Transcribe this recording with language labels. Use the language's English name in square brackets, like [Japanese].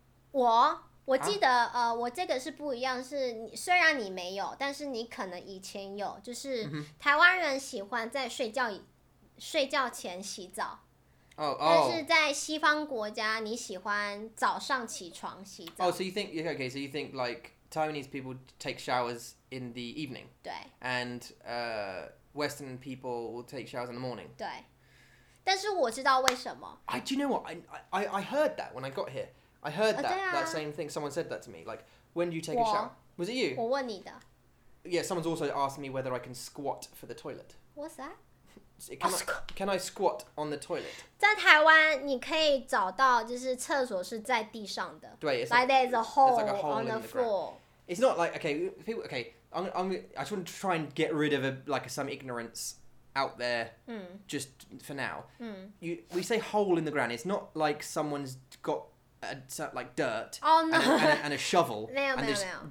[Chinese] 我记得我这个是不一样，是虽然你没有，但是你可能以前有，就是台湾人喜欢在睡觉前洗澡。 [English] Oh, [Chinese] 但是在西方国家，你喜欢早上起床洗澡。 [English] Oh, so you think okay? So you think like Taiwanese people take showers in the evening? [Chinese] 对。 [English] And Western people will take showers in the morning. [Chinese] 对。但是我知道为什么。 [English] Do you know what? I heard that when I got here. I heard that that same thing. Someone said that to me. Like, when do you take a shower? Was it you? [Chinese] 我问你的。 [English] Yeah, someone's also asked me whether I can squat for the toilet. What's that? Can I squat on the toilet? [Chinese] 在台湾，你可以找到就是厕所是在地上的。对 [English] ，like there's a hole on the floor. It's not like okay. I just want to try and get rid of some ignorance out there. Just for now. We say hole in the ground. It's not like someone's got like dirt. Oh no. And a shovel. [Chinese] 没有没有没有